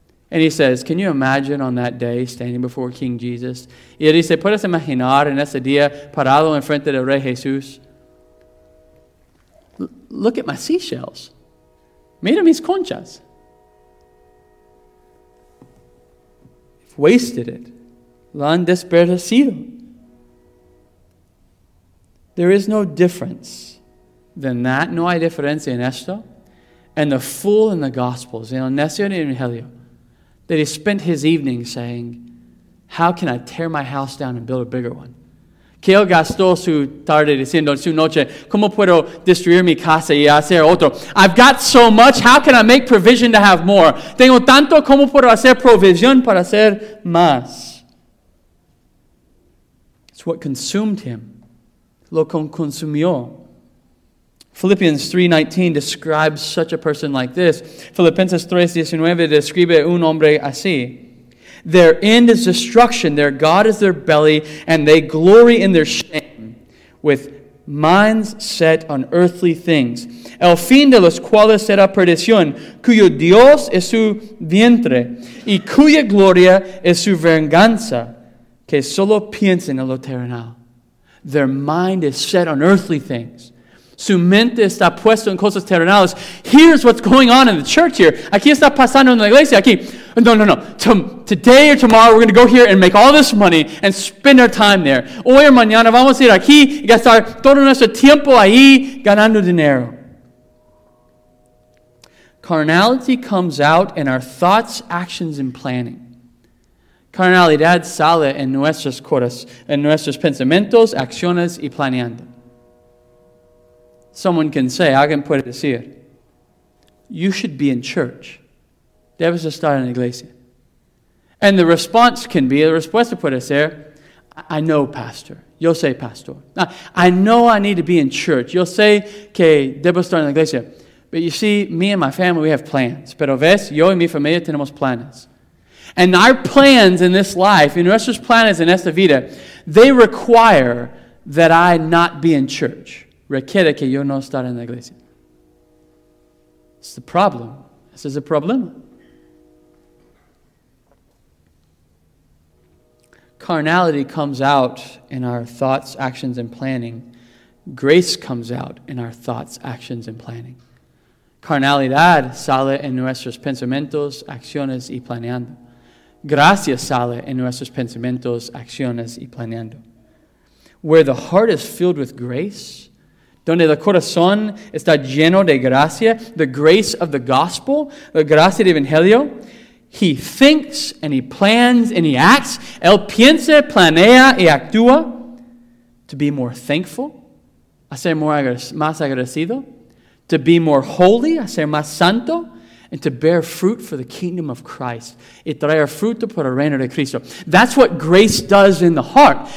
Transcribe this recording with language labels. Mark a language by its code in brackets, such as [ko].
[en] And he says, can you imagine on that day standing before King Jesus? [es] Y él dice, ¿puedes imaginar en ese día parado en frente del Rey Jesús? [en] Look at my seashells. [es] Mira mis conchas. [en] Wasted it. [es] Lo han desperdiciado. [en] There is no difference than that. [es] No hay diferencia en esto. [en] And the fool in the Gospels, [es] en el necio y en el evangelio, [en] that he spent his evening saying, how can I tear my house down and build a bigger one? [es] Que él gastó su tarde diciendo su noche, ¿cómo puedo destruir mi casa y hacer otro? [en] I've got so much, how can I make provision to have more? [es] Tengo tanto, ¿cómo puedo hacer provisión para hacer más? [en] It's what consumed him. [es] Lo consumió. [en] Philippians 3:19 describes such a person like this. [es] Filipenses 3:19 describe un hombre así. [en] Their end is destruction, their God is their belly, and they glory in their shame, with minds set on earthly things. [es] El fin de los cuales será perdición, cuyo Dios es su vientre, y cuya gloria es su venganza, que solo piensen en lo terrenal. [en] Their mind is set on earthly things. [es] Su mente está puesto en cosas terrenales. [en] Here's what's going on in the church here. [es] Aquí está pasando en la iglesia. Aquí. No, no, no. [en] Today or tomorrow, we're going to go here and make all this money and spend our time there. [es] Hoy o mañana, vamos a ir aquí y gastar todo nuestro tiempo ahí ganando dinero. [en] Carnality comes out in our thoughts, actions, and planning. [es] Carnalidad sale en nuestras cosas, en nuestros pensamientos, acciones, y planeando. [en] Someone can say, [es] alguien puede decir, [en] you should be in church. [es] Debes estar en la iglesia. [en] And the response can be, the [es] respuesta puede ser, [en] I know, pastor. [es] Yo sé, pastor. [en] I know I need to be in church. [es] Yo sé que debo estar en la iglesia. [en] But you see, me and my family, we have plans. [es] Pero ves, yo y mi familia tenemos planes. [en] And our plans in this life, [es] y nuestros planes en esta vida, [en] they require that I not be in church. [es] Requiere que yo no estar en la iglesia. [en] It's the problem. This is a problema. Carnality comes out in our thoughts, actions, and planning. Grace comes out in our thoughts, actions, and planning. [es] Carnalidad sale en nuestros pensamientos, acciones, y planeando. Gracia sale en nuestros pensamientos, acciones, y planeando. [en] Where the heart is filled with grace, [es] donde el corazón está lleno de gracia, [en] the grace of the gospel, the [es] gracia del evangelio, [en] he thinks and he plans and he acts. [es] Él piensa, planea y actúa [en] to be more thankful, [es] a ser más agradecido, [en] to be more holy, [es] a ser más santo, [en] and to bear fruit for the kingdom of Christ. [es] Y traer fruto por el reino de Cristo. [en] That's what grace does in the heart.